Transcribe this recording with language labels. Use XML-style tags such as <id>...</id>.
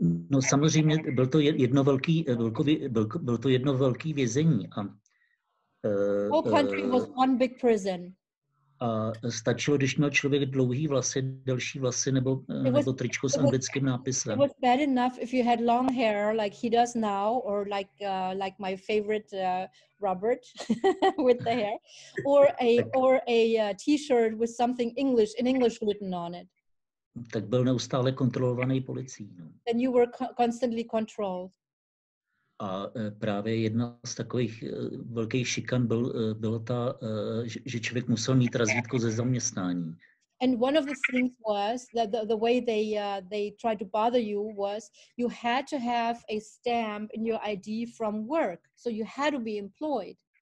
<cs>No samozřejmě byl to jedno velký byl to jedno velký vězení a</cs> <en>whole country was one big prison.</en> <cs>A stačilo, když měl člověk dlouhý vlasy, delší vlasy nebo tričko s anglickým nápisem.</cs> <en>It was bad enough if you had long hair like he does now or like my favorite Robert with the hair or a t-shirt with something English in English written on it.</en> <cs>Tak byl neustále kontrolovaný policií. No.</cs> <en>And you were constantly controlled.</en> <cs>A právě jedna z takových velkých šikan bylo ta, že člověk musel mít razítko ze zaměstnání.</cs> <en>And one of the things was that the way they tried to bother you was you had to have a stamp in your ID from work, so you had to be employed.</en>